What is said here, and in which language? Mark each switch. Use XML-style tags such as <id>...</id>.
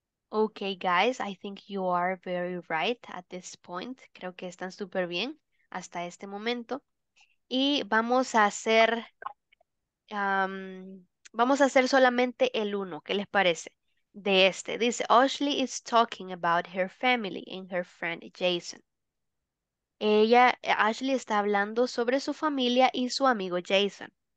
<en>Okay, guys, I think you are very right at this point.</en> <es>Creo que están súper bien hasta este momento. Y vamos a hacer solamente el uno. ¿Qué les parece? De este. Dice,</es> <en>Ashley is talking about her family and her friend Jason.</en> <es>Ashley está hablando sobre su familia y su amigo Jason.</es>